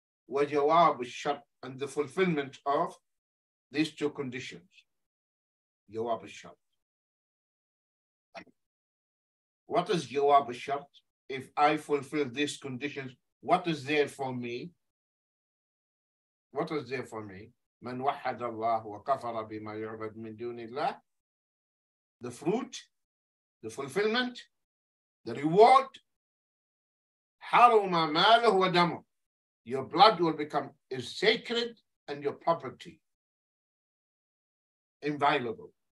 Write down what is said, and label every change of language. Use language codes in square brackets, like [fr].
[en] Wajawab al-shart, and the fulfillment of these two conditions. Jawab al-shart. What is jawab al-shart? If I fulfill these conditions, what is there for me? What is there for me? [ar] من وحد الله وكفر بما يعبد من دون الله. [en] The fruit, the fulfillment, the reward. [ar] حرم ماله ودمه. [en] Your blood will become is sacred and your property inviolable.